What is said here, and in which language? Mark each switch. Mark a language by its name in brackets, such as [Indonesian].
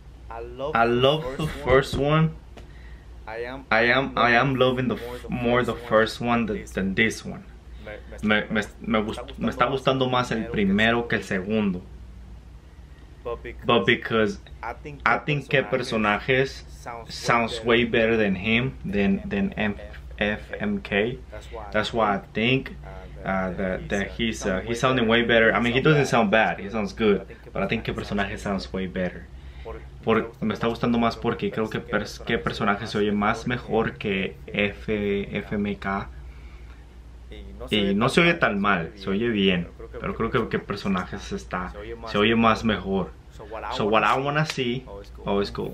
[English] I love the first one. I am loving the first one more than this one. [Spanish] Me está gustando más el primero que el segundo. [English] But I think que personajes sounds way better than him than FMK. That's why I think that he's sounding way better. I mean, he doesn't sound bad. He sounds good. But I think que personajes sounds way better. [Spanish] Me está gustando más porque creo que qué personaje se oye más mejor que FMK. Y no se oye tan mal, se oye bien. Pero creo que qué personaje se oye más mejor. [English] So what I wanna see, oh, it's cool.